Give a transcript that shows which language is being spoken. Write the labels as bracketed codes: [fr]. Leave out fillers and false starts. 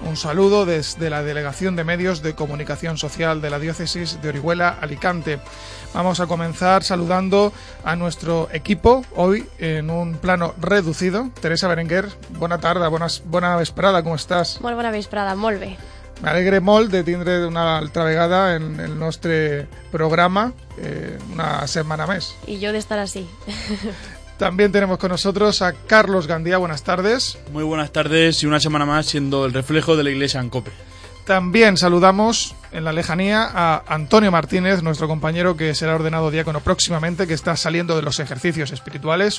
[es] Un saludo desde la Delegación de Medios de Comunicación Social de la Diócesis de Orihuela, Alicante. Vamos a comenzar saludando a nuestro equipo, hoy en un plano reducido. Teresa Berenguer, buena tarde, buena vesprada, ¿cómo estás? Muy buena vesprada, molve. [ca] Me alegre molt de tindre una altra vegada en el nostre programa, una setmana més. I jo de estar així. [es] También tenemos con nosotros a Carlos Gandía, buenas tardes. Muy buenas tardes y una semana más siendo el reflejo de la Iglesia en COPE. También saludamos en la lejanía a Antonio Martínez, nuestro compañero que será ordenado diácono próximamente, que está saliendo de los ejercicios espirituales.